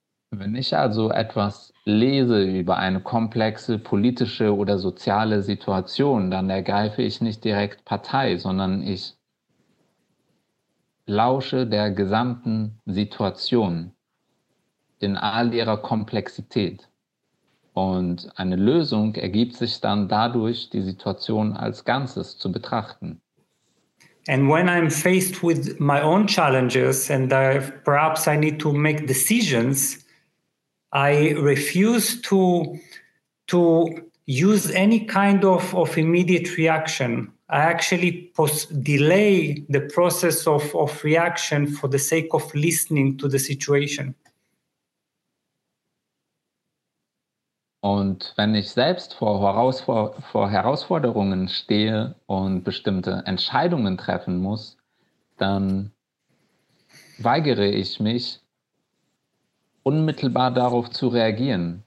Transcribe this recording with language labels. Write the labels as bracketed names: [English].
[German] Wenn ich also etwas lese über eine komplexe politische oder soziale Situation, dann ergreife ich nicht direkt Partei, sondern ich lausche der gesamten Situation in all ihrer Komplexität. Und eine Lösung ergibt sich dann dadurch, die Situation als Ganzes zu betrachten. [English] And when I'm faced with my own challenges and perhaps I need to make decisions, I refuse to use any kind of immediate reaction. I actually delay the process of reaction for the sake of listening to the situation. [German] Und wenn ich selbst vor Herausforderungen stehe und bestimmte Entscheidungen treffen muss, dann weigere ich mich, unmittelbar darauf zu reagieren.